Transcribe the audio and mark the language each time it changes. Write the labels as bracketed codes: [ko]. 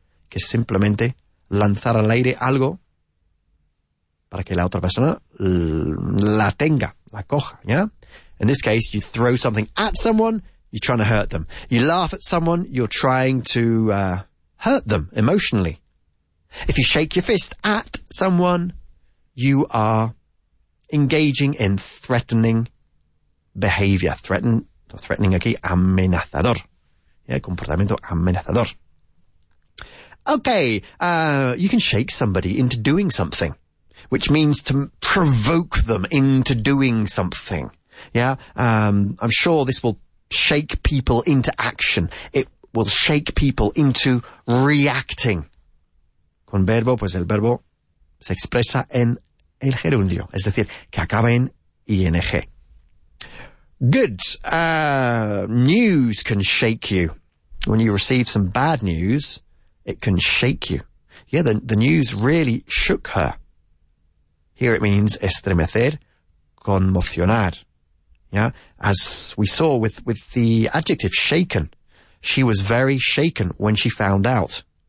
[es] Que simplemente lanzar al aire algo para que la otra persona la tenga, la coja, ¿ya? [en] In this case, you throw something at someone, you're trying to hurt them. You laugh at someone, you're trying to hurt them emotionally. If you shake your fist at someone, you are engaging in threatening behavior. [es] Threatening aquí, amenazador. Yeah, comportamiento amenazador. [en] Okay, you can shake somebody into doing something, which means to provoke them into doing something. Yeah, I'm sure this will shake people into action. It will shake people into reacting. [es] Con verbo, pues el verbo se expresa en el gerundio. Es decir, que acaba en ing. [en] Good. News can shake you. When you receive some bad news, it can shake you. Yeah, the news really shook her. Here it means [es] estremecer, conmocionar. [en] Yeah, as we saw with the adjective shaken, she was very shaken when she found out.